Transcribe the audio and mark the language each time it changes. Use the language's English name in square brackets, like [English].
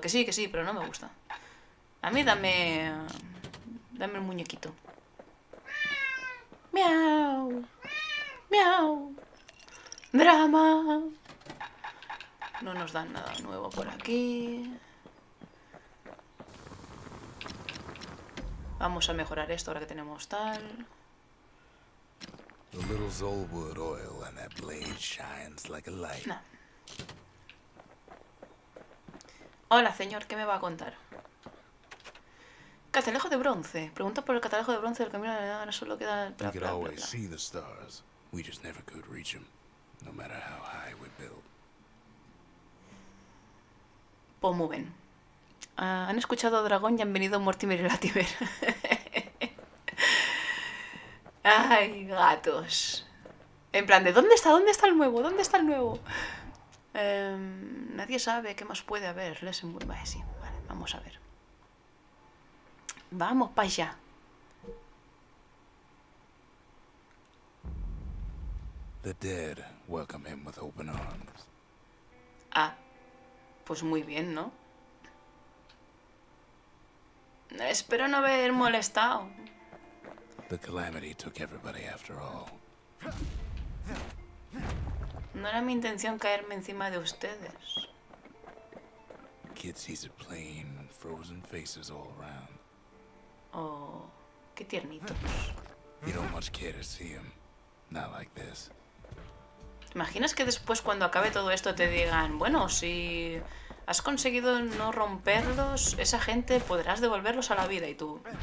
[Spanish] Que sí, pero no me gusta. A mí dame... Dame el muñequito. ¡Miau! ¡Miau! ¡Drama! No nos dan nada nuevo por aquí. Vamos a mejorar esto ahora que tenemos tal. [English] The little Zolwood oil and that blade shines like a light. [Spanish] No. Hola, señor, ¿qué me va a contar? Catalejo de bronce. Pregunta por el catalejo de bronce del camino de nada, solo queda el [English] plan. We could always see the stars. We just never could reach them, no matter how high we built. [Spanish] Pues muy bien. Han escuchado a Dragón y han venido Mortimer y Latimer. Ay, gatos. En plan, ¿de dónde está? ¿Dónde está el nuevo? ¿Dónde está el nuevo? Nadie sabe qué más puede haber. Lesenburg, vale, sí. Vale, vamos a ver. Vamos, pa' allá. [English] The dead welcome him with open arms. [Spanish] Ah, pues muy bien, ¿no? Espero no haber molestado. [English] The calamity took everybody after all. [Spanish] No era mi intención caerme encima de ustedes. [English] Kid sees a plain, frozen faces all around. [Spanish] Oh, qué tiernitos. [English] You don't much care to see him. Not like this. [Spanish] ¿Te imaginas que después, cuando acabe todo esto, te digan, bueno, si has conseguido no romperlos, esa gente podrás devolverlos a la vida, y tú?